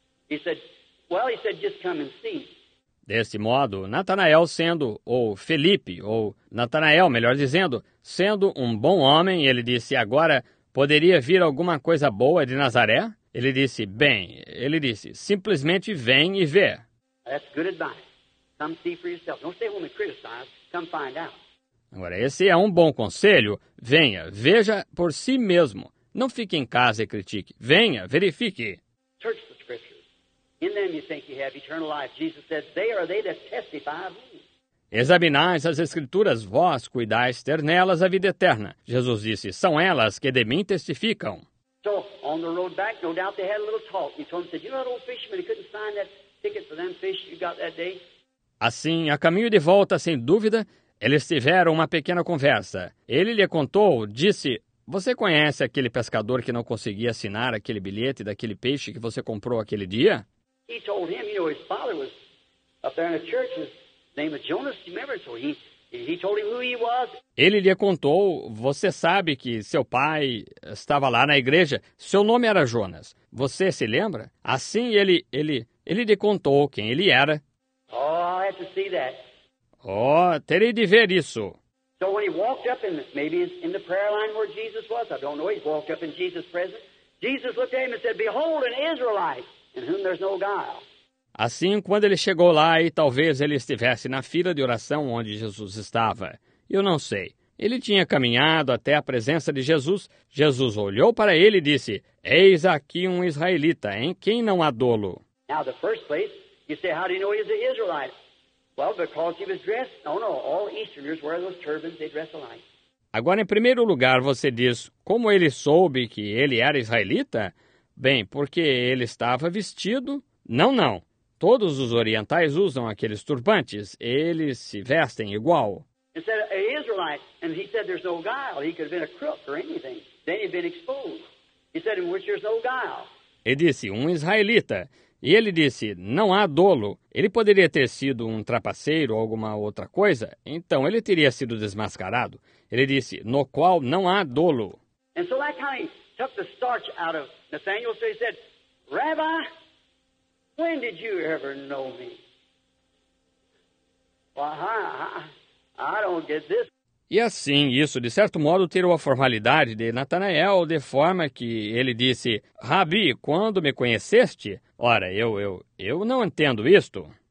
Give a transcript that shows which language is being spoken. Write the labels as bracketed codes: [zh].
[en] He said, well, he said, just come and see. [pt] Deste modo, Natanael sendo, ou Felipe, ou Natanael, melhor dizendo, sendo um bom homem, ele disse, agora poderia vir alguma coisa boa de Nazaré? Ele disse, simplesmente vem e vê. [en] That's good advice. Come see for yourself. Don't stay home and criticize. Come find out. [pt] Agora, esse é um bom conselho. Venha, veja por si mesmo. Não fique em casa e critique. Venha, verifique. [en] Church. In them you think you have eternal life. Jesus said, they are they that testify of me. [pt] Examinais as escrituras, vós cuidais ter nelas a vida eterna. Jesus disse, são elas que de mim testificam. [en] So, on the road back, no doubt they had a little talk. He told them, said, you know that old fisherman, he couldn't sign that ticket for them fish you got that day? [pt] Assim, a caminho de volta, sem dúvida, eles tiveram uma pequena conversa. Ele lhe contou, disse: "Você conhece aquele pescador que não conseguia assinar aquele bilhete daquele peixe que você comprou aquele dia?" [en] He told him, you know, his father was up there in the church, his name was Jonas, remember? So he told him who he was. [pt] Ele lhe contou: "Você sabe que seu pai estava lá na igreja, seu nome era Jonas. Você se lembra?" Assim ele lhe contou quem ele era. [en] Oh, I'll have to see that. [pt] Oh, terei de ver isso. [en] So when he walked up in maybe in the prayer line where Jesus was, I don't know, he walked up in Jesus' presence. Jesus looked at him and said, "Behold, an Israelite in whom there's no guile." [pt] Assim, quando ele chegou lá e talvez ele estivesse na fila de oração onde Jesus estava, eu não sei. Ele tinha caminhado até a presença de Jesus. Jesus olhou para ele e disse: "Eis aqui um israelita, em quem não há dolo." [en] Now, the first place, you say, how do you know he's an Israelite? Well, because he was dressed. Oh, no, all Easterners wear those turbans, they dress alike. [pt] Agora, em primeiro lugar, você diz: como ele soube que ele era israelita? Bem, porque ele estava vestido. Não. Todos os orientais usam aqueles turbantes. Eles se vestem igual. [en] Instead of an Israelite, and he said there's no guile. He could have been a crook or anything. Then he'd been exposed. He said, in which there's no guile. [pt] Ele disse: um israelita. E ele disse: não há dolo. Ele poderia ter sido um trapaceiro ou alguma outra coisa. Então ele teria sido desmascarado. Ele disse: no qual não há dolo. [en] And so that kind of took the starch out of Nathaniel. So he said, Rabbi, when did you ever know me? Well, I don't get this. [pt] E assim, isso de certo modo tirou a formalidade de Natanael, de forma que ele disse: Rabi, quando me conheceste? Ora, eu não entendo isto.